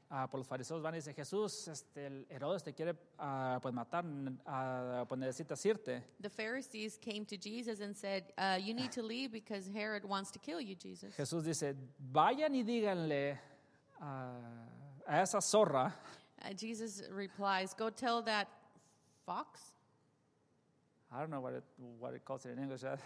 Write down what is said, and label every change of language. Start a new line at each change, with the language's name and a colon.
Spanish: Por los fariseos van y dicen, Jesús, Herodes te quiere pues matar, pues necesitas irte.
English: The Pharisees came to Jesus and said, you need to leave because Herod wants to kill you, Jesus.
Spanish: Jesús dice, vayan y díganle a esa zorra.
English: Jesus replies, go tell that fox. I don't know what it calls it in English.